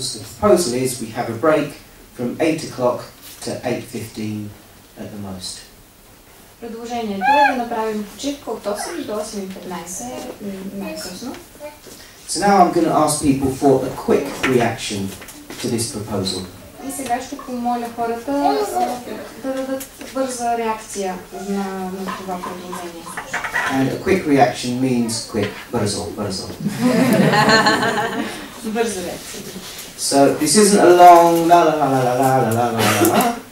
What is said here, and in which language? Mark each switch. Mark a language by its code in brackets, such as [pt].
[en] So the proposal is we have a break from 8 o'clock. To 8:15 at the most. [bg] Предложението е да направим почивка от 8 до 8:15 най-късно. [en] So now I'm going to ask people for a quick reaction to this proposal. [bg] И сега ще помоля хората да дадат бърза реакция на това предложение. [en] And a quick reaction means quick, [bg] бързо. Бърза реакция. [en] So this isn't a long la la la la la la la la la la.